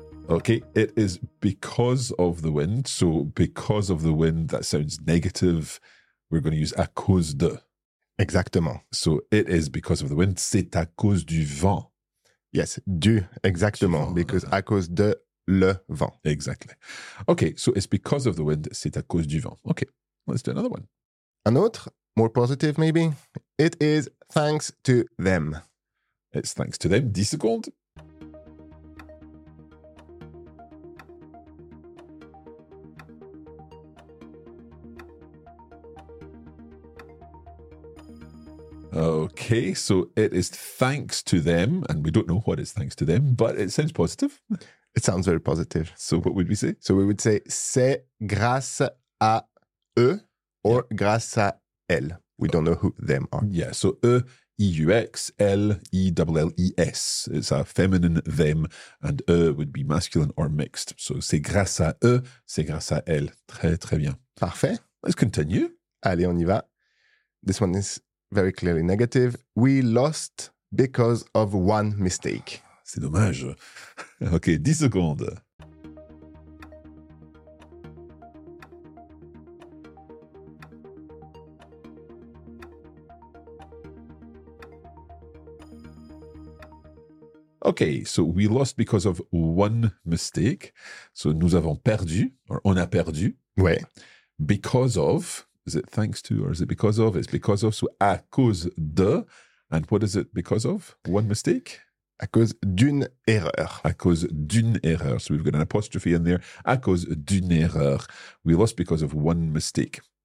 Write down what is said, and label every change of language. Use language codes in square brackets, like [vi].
[en] Okay, it is because of the wind. So because of the wind, that sounds negative. We're going to use à cause de. [fr] Exactement. [en] So it is because of the wind. [fr] C'est à cause du vent. Yes, du, exactement. Du vent. [en] Because à cause de le vent. Exactly. Okay, so it's because of the wind. [fr] C'est à cause du vent. [en] Okay, let's do another one. [fr] Un autre, [en] more positive maybe. It is thanks to them. It's thanks to them. 10 secondes. Okay, so it is thanks to them, and we don't know what is thanks to them, but it sounds positive. It sounds very positive. So what would we say? So we would say, [fr] c'est grâce à eux, [en] or yeah. [fr] Grâce à elles. [en] We don't know who them are. Yeah, so E-U-X, L-E-L-L-E-S. It's a feminine them, and eux would be masculine or mixed. [fr] So c'est grâce à eux, c'est grâce à elles. Très, très bien. Parfait. [en] Let's continue. [fr] Allez, on y va. [en] This one is... very clearly negative. We lost because of one mistake. [fr] C'est dommage. Okay, 10 secondes. [en] Okay, so we lost because of one mistake. [fr] So nous avons perdu, or on a perdu. Ouais. [en] Because of... Is it thanks to or is it because of? It's because of, so à cause de. And what is it because of? One mistake? [fr] À cause d'une erreur. À cause d'une erreur. [en] So we've got an apostrophe in there. [fr] À cause d'une erreur. [en] We lost because of one mistake.